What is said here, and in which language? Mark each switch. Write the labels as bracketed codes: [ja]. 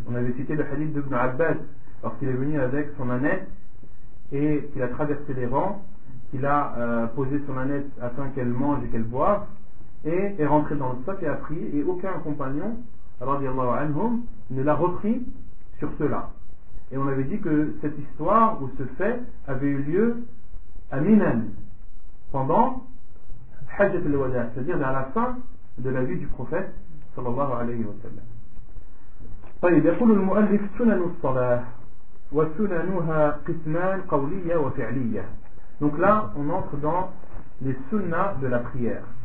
[fr] On avait cité le hadith d'Ibn Abbas, lorsqu'il est venu avec son ânette et qu'il a traversé les rangs, qu'il a posé son ânette afin qu'elle mange et qu'elle boive, et est rentré dans le sop et a prié, et aucun compagnon, radiallahu anhum, ne l'a repris sur cela. Et on avait dit que cette histoire ou ce fait avait eu lieu à Minan, pendant Hajjat al-Wada', c'est-à-dire vers la fin de la vie du prophète, sallallahu alayhi wa sallam. [ar] طيب يقول المؤلف سنن الصلاة وسننها قسمان قولية وفعلية. [fr] Donc là on entre dans les sunnas de la prière.